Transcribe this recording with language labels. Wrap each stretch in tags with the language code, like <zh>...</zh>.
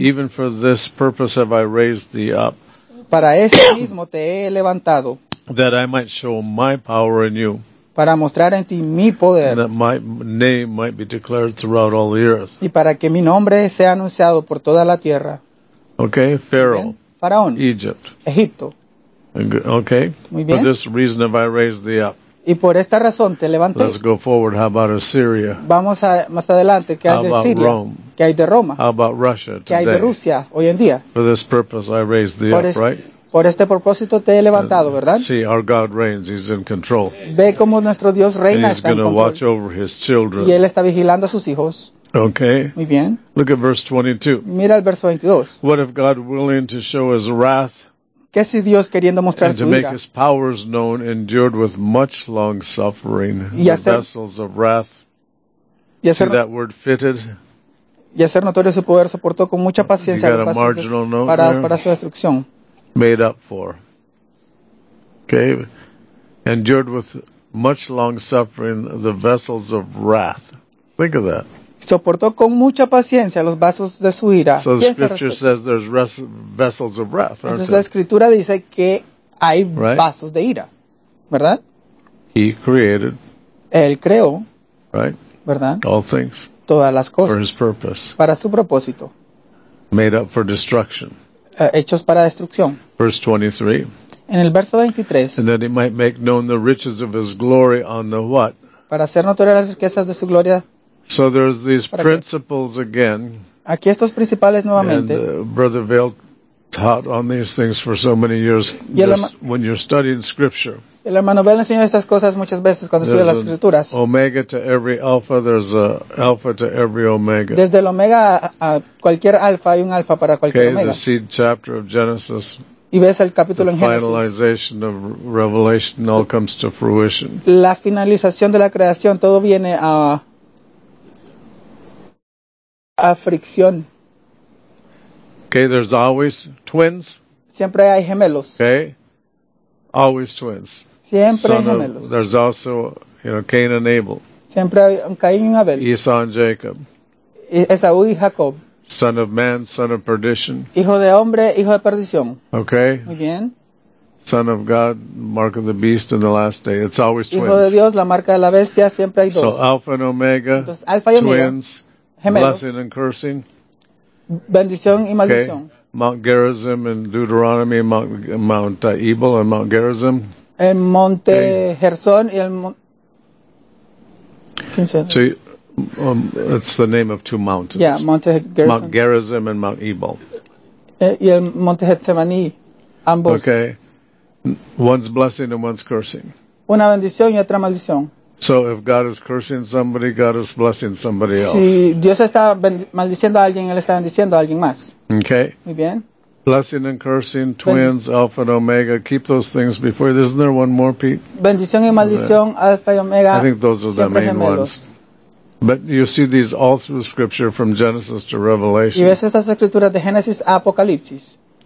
<en>Even for this purpose have I raised thee up.</en> <es>Para este mismo te he levantado.</es> <en>That I might show my power in you.</en> <es>Para mostrar en ti mi poder.</es> <en>And that my name might be declared throughout all the earth.</en> <es>Y para que mi nombre sea anunciado por toda la tierra.</es> <en>Okay, Pharaoh.</en> <es>Faraón.</es> <en>Egypt.</en> <es>Egipto.</es> <en>Okay.</en> <es>Muy bien.</es> <en>For this reason have I raised thee up.</en> <es>Y por esta razón te levanté.</es> <en>Let's go forward. How about Assyria?</en> <es>Vamos a más adelante. ¿Qué hay de Siria?</es> <en>Rome?</en> <es>¿Qué hay de Roma?</es> <en>How about Russia today?</en> <es>¿Qué hay de Rusia hoy en día?</es> <en>For this purpose I raised thee up, right?</en> <es>Por este propósito te he levantado, ¿verdad?</es> <en>See, our God reigns. He's in control.</en> <es>Ve cómo nuestro Dios reina.</es> <en>And he's going to watch over his children.</en> <es>Y él está vigilando a sus hijos.</es> <en>Okay.</en> <es>Muy bien.</es> <en>Look at verse 22.</en> <es>Mira el verso 22.</es> <en>What if God willing to show his wrath?</en> <es>¿Qué si Dios queriendo mostrar su ira?</es> <en>And to make his powers known, endured with much long suffering, the vessels of wrath. See that word fitted?</en> <es>Y hacer notorio su poder, soportó con mucha paciencia</es> <en>you got a marginal note</en> <es>para,</es> <en>there?</en> <es>Para su destrucción.</es> <en>Made up for. Okay. Endured with much long suffering, the vessels of wrath. Think of that.</en> <es>Soportó con mucha paciencia los vasos de su ira.</es> <en>So the scripture says there's vessels of wrath, aren't</en> <es>entonces la escritura dice que hay</es> <en>right?</en> <es>vasos de ira, ¿verdad?</es> <en>He created.</en> <es>Él creó.</es> <en>Right.</en> <es>¿Verdad?</es> <en>All things.</en> <es>Todas las cosas.</es> <en>For his purpose.</en> <es>Para su propósito.</es> <en>made up for destruction.</en> <es>Hechos para destrucción.</es> <en>Verse 23.</en> <es>En el verso 23.</es> <en>And that he might make known the riches of his glory on the what?</en> <es>Para hacer notorias las riquezas de su gloria.</es> <en>So there's these principles again.</en> <es>Aquí estos principales nuevamente.</es> <en>And Brother Vail taught on these things for so many years. When you're studying scripture.</en> <es>El hermano Vail enseñó estas cosas muchas veces cuando estudia las escrituras.</es> <en>Omega to every alpha, there's a alpha to every omega.</en> <es>Desde el omega a cualquier alpha hay un alpha para cualquier omega.</es> <en>Okay, the seed chapter of Genesis.</en> <es>Y ves el capítulo en Génesis.</es> <en>The finalization of revelation all comes to fruition.</en> <es>La finalización de la creación todo viene a fricción.</es> <en>Okay, there's always twins.</en> <es>Siempre hay gemelos.</es> <en>Okay. Always twins.</en> <es>Siempre son gemelos.</es> <en>Of, there's also, you know, Cain and Abel.</en> <es>Siempre hay Caín y Abel.</es> <en>Esau and Jacob.</en> <es>Esaú y Jacob.</es> <en>Son of man, son of perdition.</en> <es>Hijo de hombre, hijo de perdición.</es> <en>Okay.</en> <es>Muy bien.</es> <en>Son of God, mark of the beast in the last day. It's always twins.</en> <es>Hijo de Dios, la marca de la bestia, siempre hay dos.</es> <en>So Alpha and Omega.</en> <es>Entonces, Alpha y</es> <en>twins.</en> <es>Omega, gemelos.</es> <en>Blessing and cursing.</en> <es>Bendición y maldición.</es> <en>Okay. Mount Gerizim and Deuteronomy, Mount Ebal and Mount Gerizim.</en> <es>El Monte Gerzón y el</es> <en>Monte. It's the name of two mountains. Yeah, Monte Gerizim. Mount Gerizim and Mount Ebal.</en> <es>Y el Monte Getsemaní, ambos.</es> <en>Okay, one's blessing and one's cursing.</en> <es>Una bendición y otra maldición.</es> <en>So if God is cursing somebody, God is blessing somebody else.</en> <es>Si Dios está maldiciendo a alguien, él está bendiciendo a alguien más.</es> <en>Okay.</en> <es>Muy bien.</es> <en>Blessing and cursing, twins, Alpha and Omega. Keep those things before you. Isn't there one more, Pete?</en> <es>Bendición y maldición, Alpha y Omega.</es> <en>I think those are the main</en> <es>gemelos.</es> <en>Ones. But you see these all through Scripture from Genesis to Revelation.</en> <es>Y ves estas escrituras de Génesis a Apocalipsis.</es>